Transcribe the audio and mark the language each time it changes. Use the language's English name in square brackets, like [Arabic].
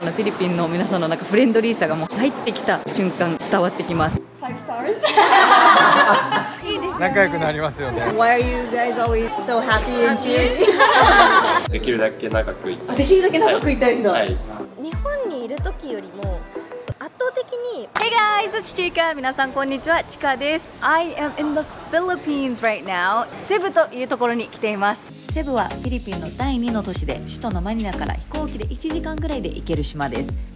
[Japanese] フィリピンの皆さんのなんかフレンドリーさがもう入ってきた瞬間伝わってきます。 [English] 5 stars. [Japanese] 仲良くなりますよね。 [English] Why are you guys always so happy and cheery? [Japanese] できるだけ長くいたい。できるだけ長くいたいんだ。はい。日本にいる時よりも圧倒的に。 [English] Hey guys, it's Chica. [Japanese] 皆さんこんにちは、チカです。 [English] I am in the Philippines right now. [Japanese] セブというところに来ています。セブはフィリピンの第2の都市で、首都のマニラから飛行機で1時間ぐらいで行ける島です。